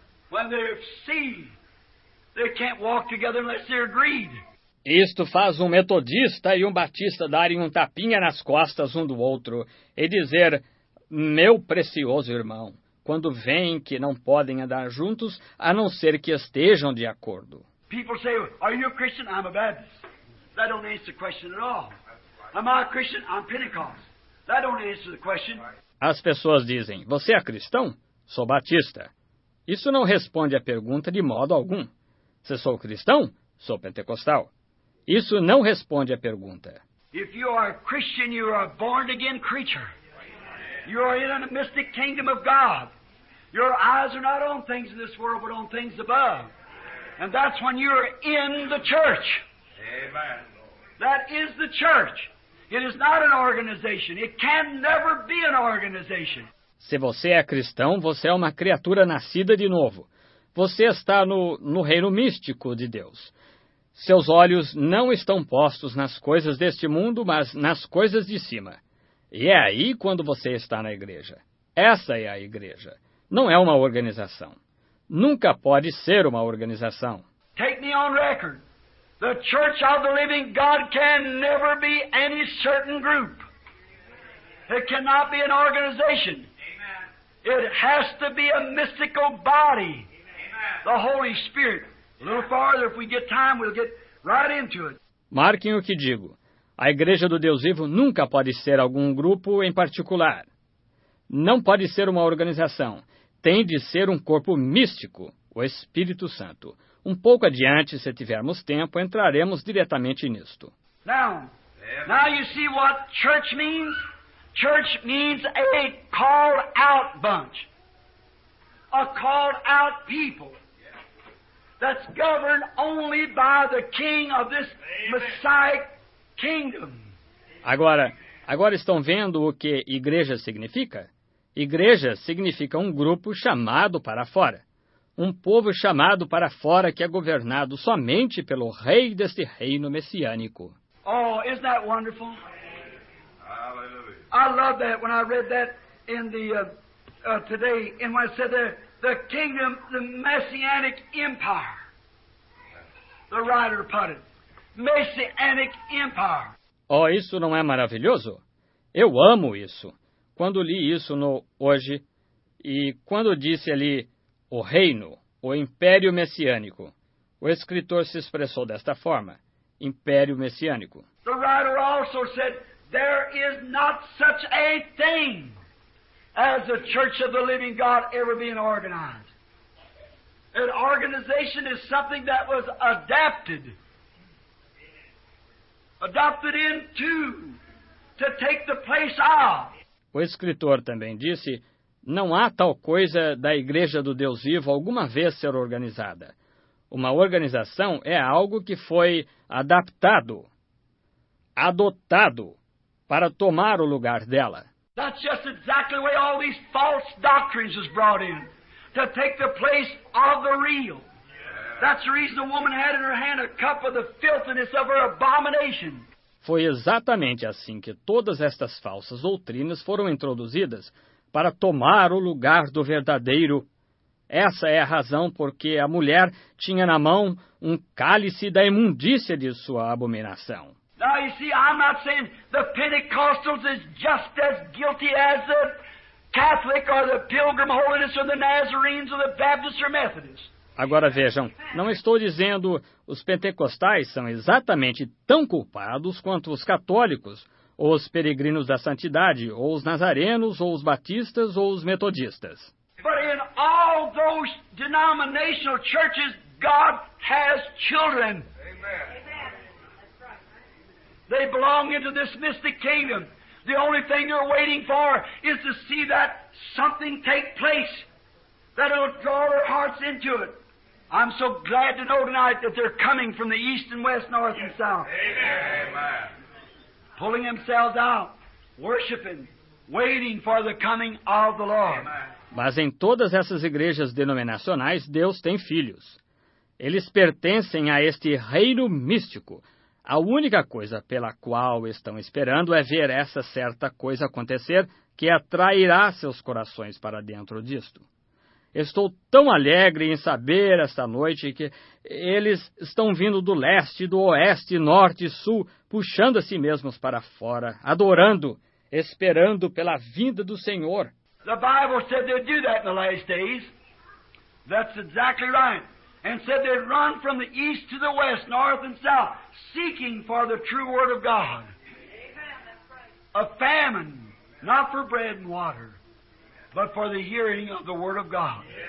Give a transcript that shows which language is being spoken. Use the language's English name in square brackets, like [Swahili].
[English] When they see, they can't walk together unless they're agreed. [Portuguese] Isto faz um metodista e um batista darem um tapinha nas costas um do outro e dizer, meu precioso irmão, quando veem que não podem andar juntos, a não ser que estejam de acordo. [English] People say, are you a Christian? I'm a Baptist. That don't answer the question at all. Am I a Christian? I'm Pentecost. That don't answer the question. [Portuguese] As pessoas dizem, você é cristão? Sou batista. Isso não responde à pergunta de modo algum. Se sou cristão? Sou pentecostal. Isso não responde à pergunta. [English] If you are a Christian, you are a born-again creature. You are in a mystic kingdom of God. Your eyes are not on things in this world, but on things above. And that's when you are in the church. Amen. That is the church. It is not an organization. It can never be an organization. [Portuguese] Se você é cristão, você é uma criatura nascida de novo. Você está no reino místico de Deus. Seus olhos não estão postos nas coisas deste mundo, mas nas coisas de cima. E é aí quando você está na igreja. Essa é a igreja. Não é uma organização. Nunca pode ser uma organização. [English] Take me on record. The Church of the Living God can never be any certain group. It cannot be an organization. Amen. It has to be a mystical body. Amen. The Holy Spirit. A little farther, if we get time, we'll get right into it. [Portuguese] Marquem o que digo. A Igreja do Deus Vivo nunca pode ser algum grupo em particular. Não pode ser uma organização. Tem de ser um corpo místico, o Espírito Santo. Um pouco adiante, se tivermos tempo, entraremos diretamente nisto. [English] Now you see what church means? Church means a called out bunch. A called out people. That's governed only by the king of this Messiah kingdom. [Portuguese] Agora estão vendo o que igreja significa? Igreja significa um grupo chamado para fora. Um povo chamado para fora que é governado somente pelo rei deste reino messiânico. [English] Oh, isn't that wonderful? Hallelujah. I love that when I read that in the today, and when I said there, the kingdom, the messianic empire. The writer put it. Messianic empire. [Portuguese] Oh, isso não é maravilhoso? Eu amo isso. Quando li isso no hoje, e quando disse ali o reino, o império messiânico, o escritor se expressou desta forma, império messiânico. [English] The writer also said, there is not such a thing as the Church of the Living God ever being organized. An organization is something that was adapted into, to take the place of. [Portuguese] O escritor também disse, não há tal coisa da Igreja do Deus Vivo alguma vez ser organizada. Uma organização é algo que foi adaptado, adotado, para tomar o lugar dela. [English] That's just exactly where all these false doctrines was brought in, to take the place of the real. That's the reason the woman had in her hand a cup of the filthiness of her abomination. [Portuguese] Foi exatamente assim que todas estas falsas doutrinas foram introduzidas para tomar o lugar do verdadeiro. Essa é a razão porque a mulher tinha na mão um cálice da imundícia de sua abominação. [English] Now you see, I'm not saying the Pentecostals is just as guilty as the Catholic or the Pilgrim Holiness or the Nazarenes or the Baptist or Methodist. [Portuguese] Agora vejam, não estou dizendo os pentecostais são exatamente tão culpados quanto os católicos, ou os peregrinos da santidade, ou os nazarenos, ou os batistas, ou os metodistas. [English] But in all those denominational churches, God has children. Amen. They belong into this mystic kingdom. The only thing they're waiting for is to see that something take place that will draw their hearts into it. I'm so glad to know tonight that they're coming from the east and west, north and south. Amen. Pulling themselves out, worshiping, waiting for the coming of the Lord. Amen. [Portuguese] Mas em todas essas igrejas denominacionais, Deus tem filhos. Eles pertencem a este reino místico. A única coisa pela qual estão esperando é ver essa certa coisa acontecer que atrairá seus corações para dentro disto. Estou tão alegre em saber esta noite que eles estão vindo do leste, do oeste, norte e sul, puxando a si mesmos para fora, adorando, esperando pela vinda do Senhor. [English] The Bible said they'd do that in the last days. That's exactly right. And said they'd run from the east to the west, north and south, seeking for the true word of God. A famine, not for bread and water. But for the hearing of the word of God.